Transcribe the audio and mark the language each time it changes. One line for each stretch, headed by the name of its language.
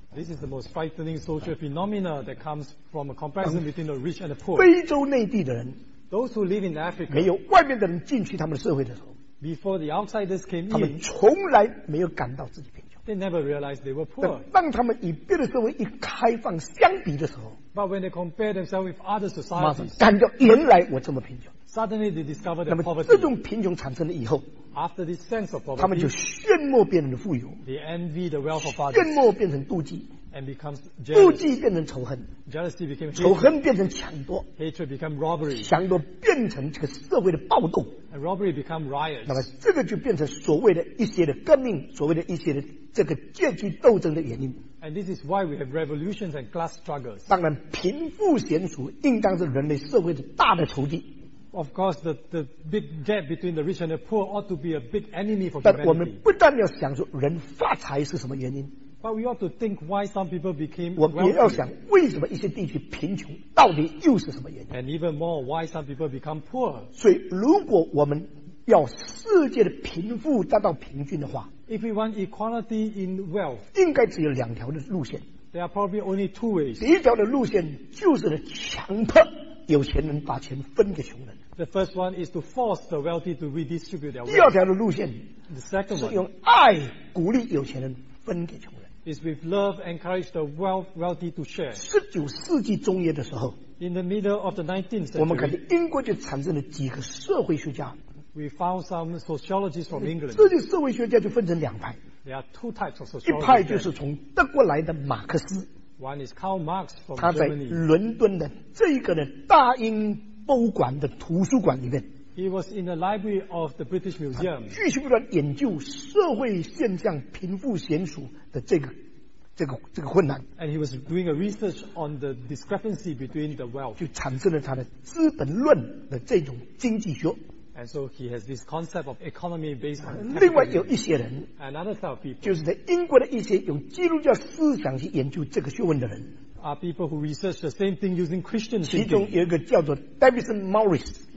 English: This is the most frightening social phenomena that comes from a comparison between the rich and the poor.
Chinese: 非洲内地的人，
English: those who live in Africa,
Chinese: 没有外面的人进去他们的社会的时候，
English: before the outsiders came in,
Chinese: 他们从来没有感到自己贫穷。
English: They never realized they were poor.
Chinese: 但当他们与别的社会一开放相比的时候，
English: But when they compare themselves with other societies,
Chinese: 马上感觉原来我这么贫穷。
English: Suddenly they discover their poverty.
Chinese: 那么这种贫穷产生了以后，
English: after this sense of poverty,
Chinese: 他们就炫慕别人的富有，
English: they envy the wealth of others,
Chinese: 炫慕变成妒忌，
English: and becomes jealous,
Chinese: 妒忌变成仇恨，
English: jealousy became hatred,
Chinese: 仇恨变成抢夺，
English: hatred became robbery,
Chinese: 抢夺变成这个社会的暴动，
English: and robbery became riots.
Chinese: 那么这个就变成所谓的一些的革命， 所谓的一些的这个阶级斗争的原因。
English: And this is why we have revolutions and class struggles.
Chinese: 当然贫富悬殊应当是人类社会的大的仇敌。
English: Of course, the big gap between the rich and the poor ought to be a big enemy for humanity.
Chinese: 但我们不但要想说人发财是什么原因，
English: but we ought to think why some people became wealthy.
Chinese: 我们也要想为什么一些地区贫穷到底又是什么原因。
English: And even more, why some people become poor.
Chinese: 所以如果我们要世界的贫富达到平均的话，
English: if we want equality in wealth,
Chinese: 应该只有两条的路线，
English: There are probably only two ways.
Chinese: 第一条的路线就是强迫有钱人把钱分给穷人。
English: The first one is to force the wealthy to redistribute their wealth.
Chinese: 第二条的路线
English: the second one,
Chinese: 是用爱鼓励有钱人分给穷人。
English: Is with love encourage the wealthy to share.
Chinese: 19世纪中叶的时候
English: in the middle of the 19th century,
Chinese: 我们看见英国就产生了几个社会学家。
English: We found some sociologists from England.
Chinese: 这些社会学家就分成两派。
English: There are two types of
Chinese: sociology. 一派就是从德国来的马克思。
English: One is Karl Marx from Germany.
Chinese: 他在伦敦的这个的大英博物馆的图书馆里面。
English: He was in the library of the British Museum.
Chinese: 继续不断研究社会现象、贫富悬殊的这个困难。
English: And he was doing a research on the discrepancy between the wealth.
Chinese: 就产生了他的资本论的这种经济学。
English: And so he has this concept of economy based on capitalism.
Chinese: 另外有一些人
English: another set of people,
Chinese: 就是在英国的一些有基督教思想去研究这个学问的人
English: are people who research the same thing using Christian thinking.
Chinese: 其中有一个叫做 Davidson Morris.